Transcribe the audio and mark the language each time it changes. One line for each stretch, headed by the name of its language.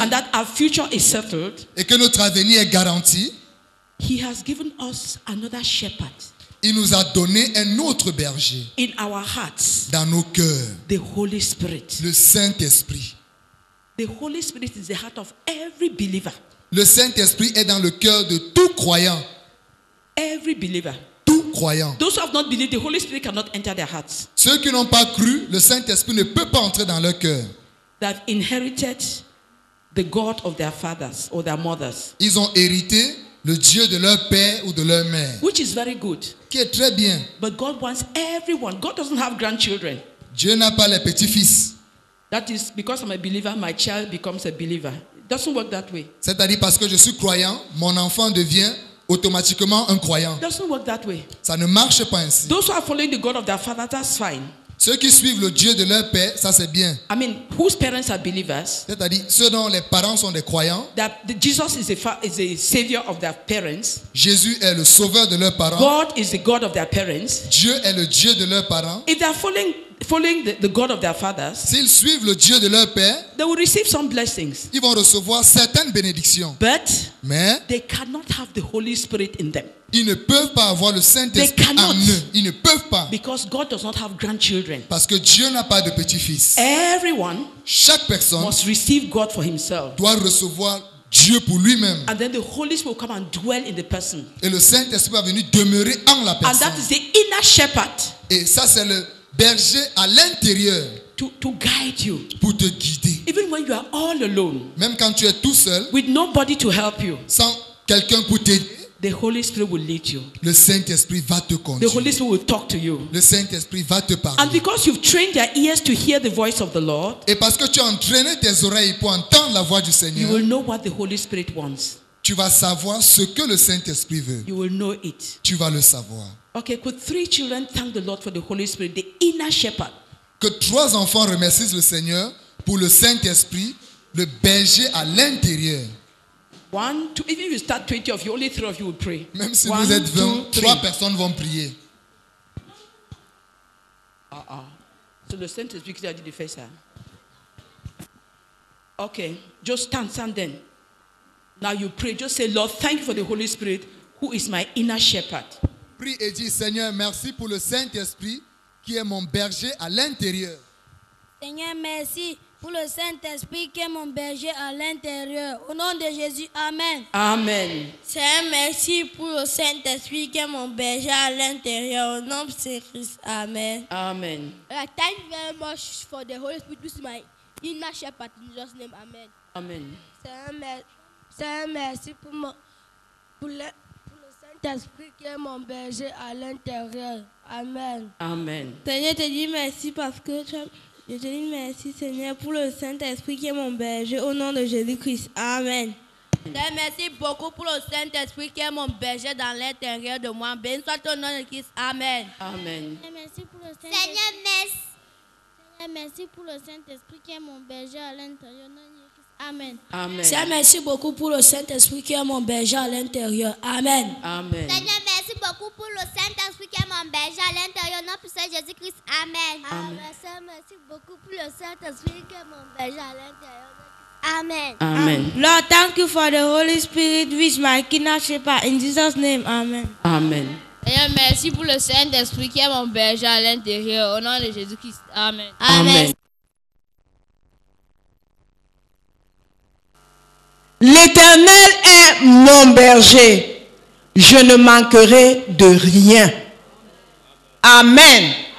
English: and that our future is settled,
French: et que notre avenir est garanti,
English: he has given us another shepherd.
French: Il nous a donné un autre berger.
English: In our hearts,
French: dans nos cœurs,
English: the Holy Spirit.
French: Le Saint-Esprit.
English: The Holy Spirit is the heart of every believer.
French: Le Saint-Esprit est dans le cœur de tout croyant.
English: Every believer.
French: Croyant.
English: Those who have not believed, the Holy Spirit cannot enter their hearts.
French: Ceux qui n'ont pas cru, le Saint-Esprit ne peut pas entrer dans leur cœur.
English: They have inherited the God of their fathers or their mothers.
French: Ils ont hérité le Dieu de leur père ou de leur mère.
English: Which is very good.
French: Qui est très bien.
English: But God wants everyone. God doesn't have grandchildren.
French: Dieu n'a pas les petits-fils.
English: That is because I'm a believer, my child becomes a believer. It doesn't work that way.
French: C'est-à-dire parce que je suis croyant, mon enfant devient automatiquement un croyant.
English: Doesn't work that way.
French: Ça ne marche pas ainsi.
English: Those who are following the God of their fathers, that's fine.
French: Ceux qui suivent le Dieu de leur paix, ça c'est bien.
English: I mean, whose parents are believers?
French: C'est-à-dire ceux dont les parents sont des croyants.
English: That Jesus is the savior of their parents.
French: Jésus est le sauveur de leurs parents.
English: God is the God of their parents.
French: Dieu est le Dieu de leurs parents.
English: If they are following the God of their fathers,
French: s'ils suivent le Dieu de leur père,
English: they will receive some blessings.
French: Ils vont recevoir certaines bénédictions.
English: But
French: mais
English: they cannot have the Holy Spirit in them.
French: Ils ne peuvent pas avoir le Saint-Esprit en eux. Ils ne peuvent pas.
English: Because God does not have grandchildren.
French: Parce que Dieu n'a pas de petits-fils.
English: Everyone,
French: chaque personne,
English: must receive God for himself.
French: Doit recevoir Dieu pour lui-même.
English: And then the Holy Spirit will come and dwell in the person.
French: Et le Saint-Esprit va venir demeurer en la personne.
English: And that is the inner shepherd.
French: Et ça c'est le berger à l'intérieur.
English: To guide you.
French: Pour te guider.
English: Even when you are all alone.
French: Même quand tu es tout seul.
English: With nobody to help you.
French: Sans quelqu'un pour t'aider.
English: The Holy Spirit will lead you.
French: Le Saint-Esprit va te conduire.
English: The Holy Spirit will talk to you.
French: Le Saint-Esprit va te parler.
English: And because you've trained your ears to hear the voice of the Lord.
French: Et parce que tu as entraîné tes oreilles pour entendre la voix du Seigneur.
English: You will know what the Holy Spirit wants.
French: Tu vas savoir ce que le Saint-Esprit veut.
English: You will know it.
French: Tu vas le savoir.
English: Okay, could three children thank the Lord for the Holy Spirit, the inner shepherd?
French: Que trois enfants remercient le Seigneur pour le Saint-Esprit, le berger à l'intérieur.
English: One, two, even if you start 20 of you, only three of you will pray.
French: Même si
English: one,
French: vous êtes 20, trois personnes vont prier.
English: So the
French: Saint-Esprit qui a dit de faire ça.
English: Okay, just stand then. Now you pray, just say, Lord, thank you for the Holy Spirit, who is my inner shepherd.
French: Prie et dis, Seigneur, merci pour le Saint-Esprit qui est mon berger à l'intérieur. Seigneur, merci pour le Saint-Esprit qui est mon berger à l'intérieur. Au nom de Jésus, amen. Amen. Seigneur, merci pour le Saint-Esprit qui est mon berger à l'intérieur. Au nom de Christ, amen. Amen.
English: Thank you very much for the Holy Spirit, who is my inner shepherd. In Jesus' name, amen. Amen.
French: Seigneur, merci pour mon Saint-Esprit qui est mon berger à l'intérieur. Amen. Amen. Seigneur, te dis merci parce que je te dis merci, Seigneur, pour le Saint-Esprit qui est mon berger au nom de Jésus-Christ. Amen. Seigneur, merci beaucoup pour le Saint-Esprit qui est mon berger dans l'intérieur de moi. Béni soit ton nom de Christ. Amen. Amen. Merci pour le Saint-Esprit qui est mon berger à l'intérieur. Amen. Amen. Seigneur, merci beaucoup pour le Saint-Esprit qui est mon berger à l'intérieur. Amen. Amen. Seigneur, merci beaucoup pour le Saint-Esprit qui est mon berger à l'intérieur. Nom puissant Jésus-Christ. Amen. Amen. Seigneur, merci beaucoup pour le Saint-Esprit qui est mon berger à l'intérieur. Amen. Amen.
English: Lord, thank you for the Holy Spirit which my kidnapped shepherd. In Jesus' name. Amen. Amen.
French: Seigneur, merci pour le Saint-Esprit qui est mon berger à l'intérieur. Au nom de Jésus-Christ. Amen. Amen. Amen. L'Éternel est mon berger. Je ne manquerai de rien. Amen.